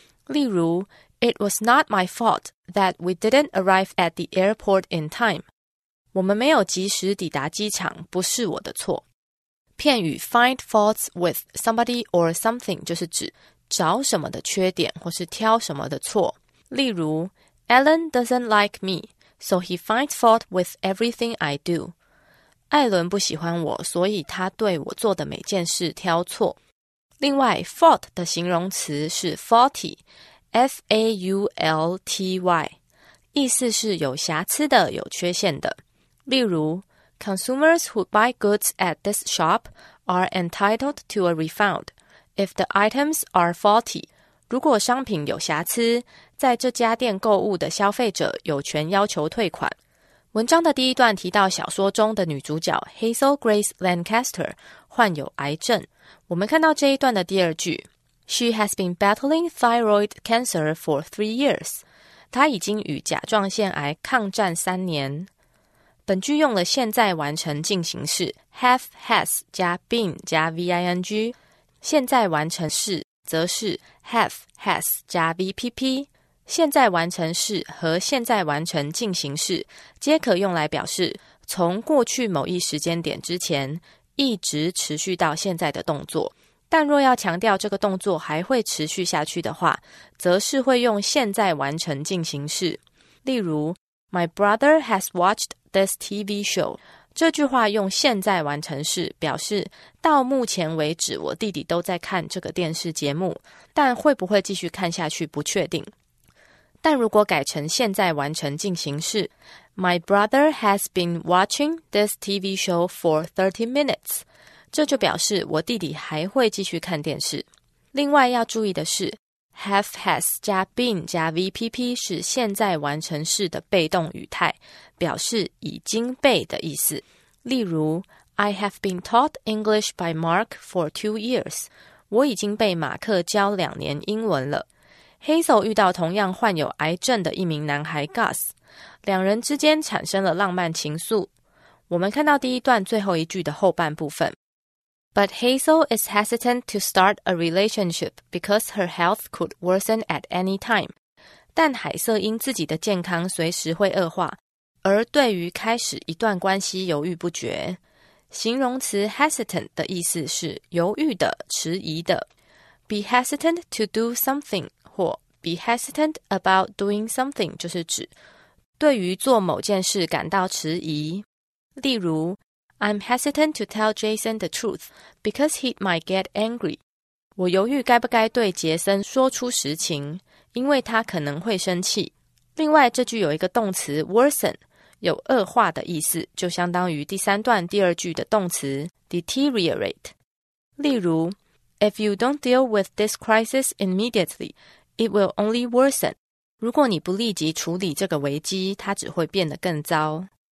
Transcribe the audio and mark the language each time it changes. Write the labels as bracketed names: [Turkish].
[Chinese] 例如 [English] It was not my fault that we didn't arrive at the airport in time. [Chinese] 我们没有及时抵达机场，不是我的错。片语 [English] find faults with somebody or something [Chinese] 就是指找什么的缺点或是挑什么的错。例如 [English] Alan doesn't like me, so he finds fault with everything I do. [Chinese] 艾伦不喜欢我，所以他对我做的每件事挑错。另外 fault 的形容词是 faulty, F-A-U-L-T-Y, 意思是有瑕疵的，有缺陷的。例如 [English] Consumers who buy goods at this shop are entitled to a refund if the items are faulty. [Chinese] 如果商品有瑕疵，在这家店购物的消费者有权要求退款。文章的第一段提到小说中的女主角 Hazel Grace Lancaster 患有癌症。我们看到这一段的第二句 [English] She has been battling thyroid cancer for 3 years. [Chinese] 她已经与甲状腺癌抗战3年。本句用了现在完成进行式 have, has, 加 been, 加 ving, 现在完成式则是 have, has, 加 vpp, 现在完成式和现在完成进行式皆可用来表示从过去某一时间点之前一直持续到现在的动作。但若要强调这个动作还会持续下去的话，则是会用现在完成进行式。例如 [English] My brother has watched this TV show. [Chinese] 这句话用现在完成式表示到目前为止我弟弟都在看这个电视节目，但会不会继续看下去不确定。但如果改成现在完成进行式 [English] My brother has been watching this TV show for 30 minutes. [Chinese] 这就表示我弟弟还会继续看电视。另外要注意的是 have has 加 been 加 VPP 是现在完成式的被动语态，表示已经被的意思。例如 [English] I have been taught English by Mark for 2 years. [Chinese] 我已经被马克教2年英文了。Hazel 遇到同样患有癌症的一名男孩 Gus， 两人之间产生了浪漫情愫。我们看到第一段最后一句的后半部分。 [English] But Hazel is hesitant to start a relationship because her health could worsen at any time. [Chinese] 但海瑟因自己的健康随时会恶化，而对于开始一段关系犹豫不决。形容词 hesitant 的意思是犹豫的、迟疑的。 [English] Be hesitant to do something 或 be hesitant about doing something [Chinese] 就是指对于做某件事感到迟疑。例如 [English] I'm hesitant to tell Jason the truth because he might get angry. [Chinese] 我犹豫该不该对杰森说出实情，因为他可能会生气。另外这句有一个动词 worsen，有恶化的意思，就相当于第三段第二句的动词 deteriorate。例如 [English] If you don't deal with this crisis immediately, it will only worsen。 [Chinese] 如果你不立即处理这个危机，它只会变得更糟。